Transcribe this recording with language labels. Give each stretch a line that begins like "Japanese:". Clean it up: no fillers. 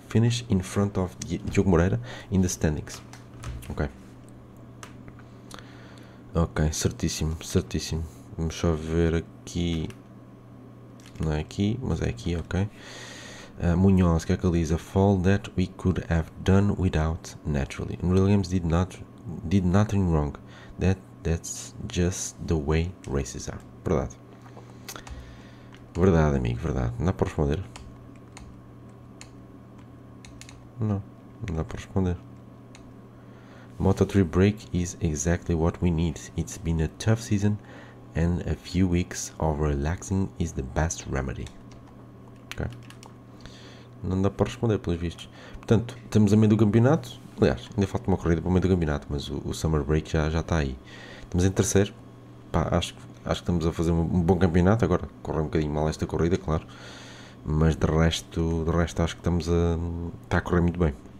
English: Finish in front of Diogo Moreira in the standings. Ok.
Portuguese: Ok, certíssimo, certíssimo. Vamos só ver aqui. Não é aqui, mas é aqui, ok. Munhoz, que é que ele diz?
English: A fall that we could have done without naturally. And Williams did nothing wrong. That's just the way races are.
Portuguese: Verdade. Verdade, amigo, verdade. Não dá para responder. Não, Não dá para responder.
English: Moto 3 break is exactly what we need. It's been a tough season and a few weeks of relaxing is the best remedy. Ok.
Portuguese: Não dá para responder, pelos vistos. Portanto, estamos a meio do campeonato. Aliás, ainda falta uma corrida para o meio do campeonato, mas o summer break já está aí. Estamos em terceiro. Pá, acho que estamos a fazer um bom campeonato. Agora, correu um bocadinho mal esta corrida, claro. Mas de resto acho que está a correr muito bem.